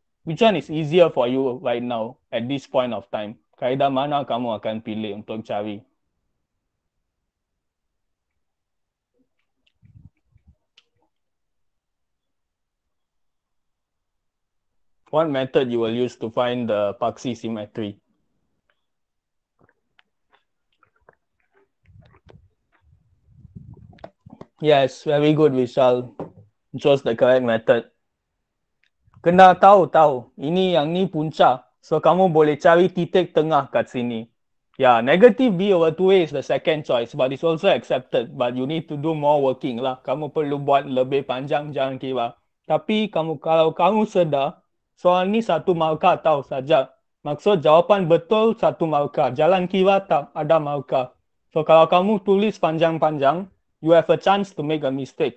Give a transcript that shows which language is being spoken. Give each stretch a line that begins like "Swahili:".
English: Which one is easier for you right now, at this point of time?
Malay: Kaedah mana kamu akan pilih untuk cari?
English: What method you will use to find the paksi symmetry? Yes, very good, Vishal. Just the correct method.
Malay: Kena tahu-tahu. Ini yang ni punca. So, kamu boleh cari titik tengah kat sini.
English: Yeah, negative B over 2A is the second choice. But it's also accepted. But you need to do more working lah.
Malay: Kamu perlu buat lebih panjang, jangan kira. Tapi, kalau kamu sedar, soal ni satu markah tahu saja. Maksud jawapan betul satu markah. Jalan kira tak ada markah. So, kalau kamu tulis panjang-panjang,
English: you have a chance to make a mistake.